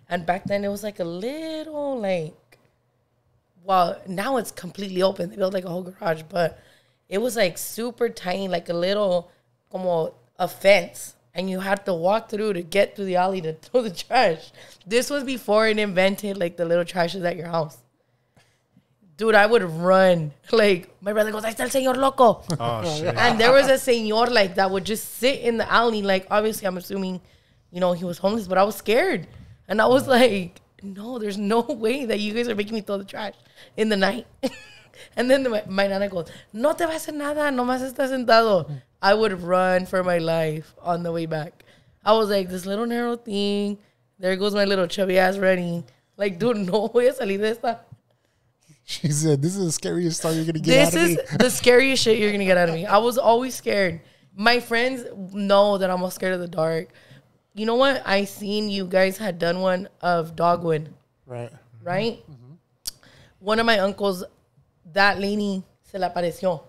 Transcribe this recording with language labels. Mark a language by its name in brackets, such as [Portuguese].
[English] And back then it was like a little, like, well, now it's completely open. They built like a whole garage, but it was like super tiny, like a little, como a fence. And you had to walk through to get through the alley to throw the trash. This was before it invented, like, the little trashes at your house. Dude, I would run. Like, my brother goes, [Spanish] ahí está el señor loco. [English] Oh, shit. And there was a señor, like, that would just sit in the alley. Like, obviously, I'm assuming, you know, he was homeless, but I was scared. And I was like, no, there's no way that you guys are making me throw the trash in the night. And then my nana goes, [Spanish] no te va a hacer nada, nomás está sentado. [English] I would run for my life on the way back. I was like, this little narrow thing. There goes my little chubby ass running. Like, dude, [Spanish] no voy a salir de esta. [English] She said, this is the scariest story you're going to get out of me. This is the scariest shit you're going to get out of me. I was always scared. My friends know that I'm all scared of the dark. You know what? I seen you guys had done one of Dogwood. Right. Right? Mm-hmm. One of my uncles, that lady, [Spanish] se la apareció.